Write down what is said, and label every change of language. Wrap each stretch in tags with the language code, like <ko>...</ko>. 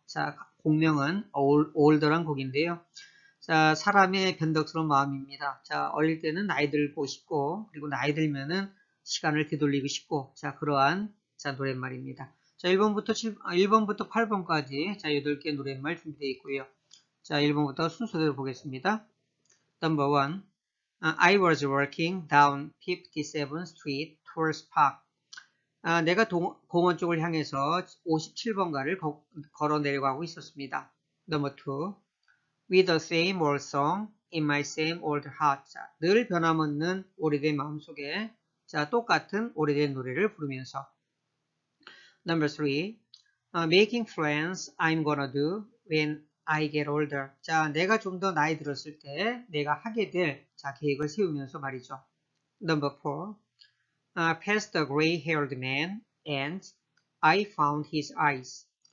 <ko>자, 곡명은 올더란 곡인데요. 자, 사람의 변덕스러운 마음입니다. 자, 어릴 때는 아이들을 보고 싶고, 그리고 나이 들면은 시간을 되돌리고 싶고, 자, 그러한 자, 노랫말입니다. 자, 1번부터 8번까지 자, 8개 노랫말 준비되어 있고요. 자, 1번부터 순서대로 보겠습니다.</ko> <en>Number one. I was walking down 57th Street towards Park.</en> <ko>내가 공원 쪽을 향해서 57번가를 걸어 내려가고 있었습니다.</ko> <en>Number two, with the same old song in my same old heart.</en> <ko>자, 늘 변함없는 오래된 마음 속에 자, 똑같은 오래된 노래를 부르면서.</ko> <en>Number three, making friends I'm gonna do when I get older.</en> <ko>자, 내가 좀더 나이 들었을 때 내가 하게 될 자, 계획을 세우면서 말이죠.</ko> <en>Number four, past the gray-haired man and I found his eyes.</en>